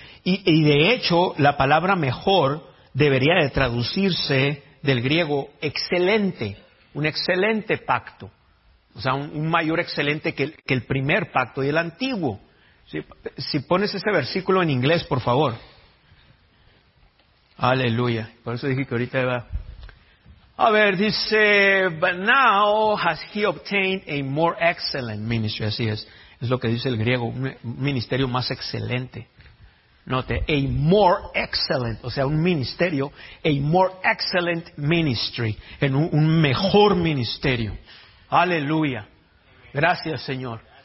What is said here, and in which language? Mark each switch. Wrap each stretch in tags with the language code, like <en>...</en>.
<es>Y de hecho, la palabra mejor debería de traducirse del griego excelente, un excelente pacto. O sea, un mayor excelente que el primer pacto y el antiguo. Si pones ese versículo en inglés, por favor. Aleluya. Por eso dije que ahorita iba. A ver, dice,</es> <en>but now has he obtained a more excellent ministry.</en> <es>Así es lo que dice el griego, un ministerio más excelente.</es> <en>Note, a more excellent,</en> <es>o sea, un ministerio,</es> <en>a more excellent ministry,</en> <es>en un mejor ministerio. Aleluya. Gracias, Señor.</es>